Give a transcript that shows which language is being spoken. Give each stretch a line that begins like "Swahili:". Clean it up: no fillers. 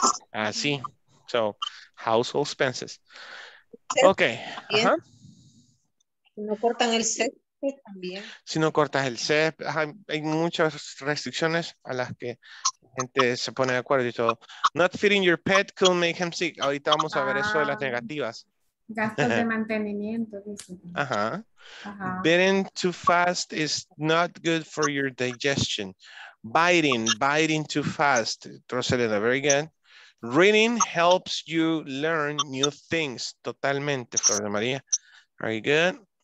English: Así. So, household expenses. Ok. Ajá.
Spanish: No cortan el set. También. Si no cortas el CEP, hay muchas restricciones a las que la gente se pone de acuerdo y todo.
English: Not feeding your pet could make him sick.
Spanish: Ahorita vamos a ver eso de las negativas. Gastos de mantenimiento, dice. Ajá.
English: Biting too fast is not good for your digestion. Biting too fast. Rosalinda, very good. Reading helps you learn new things.
Spanish: Totalmente, Flor de María.
English: Very good.